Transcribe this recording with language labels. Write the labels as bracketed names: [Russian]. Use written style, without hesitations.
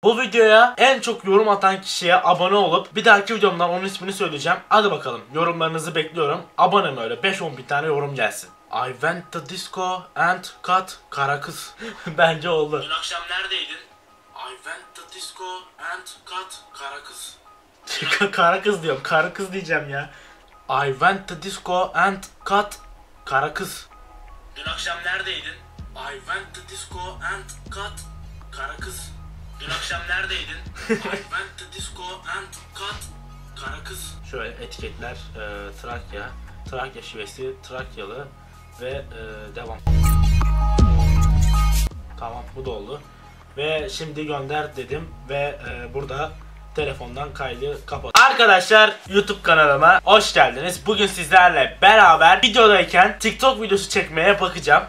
[Turkish] Bu videoya en çok yorum atan kişiye abone olup bir dahaki videomda onun ismini söyleyeceğim. Hadi bakalım yorumlarınızı bekliyorum. Abone mi öyle 5-10 bin tane yorum gelsin. [English] I went to disco and cut kara kız. [Turkish] Bence oldu. Dün akşam neredeydin? [English] I went to disco and cut kara kız. [Turkish] Kara kız diyorum. Kara kız diyeceğim ya. [English] I went to disco and cut kara kız. [Turkish] Dün akşam neredeydin? [English] I went to disco and cut kara kız. [Turkish] Dün akşam neredeydin? [English] I went to disco and cut kara kız. [Turkish] Şöyle etiketler Trakya, Trakya şivesi, Trakyalı ve devam. Tamam, bu da oldu. Ve şimdi gönder dedim ve burada telefondan kaydı kapat. Arkadaşlar, YouTube kanalıma hoş geldiniz. Bugün sizlerle beraber videodayken TikTok videosu çekmeye bakacağım.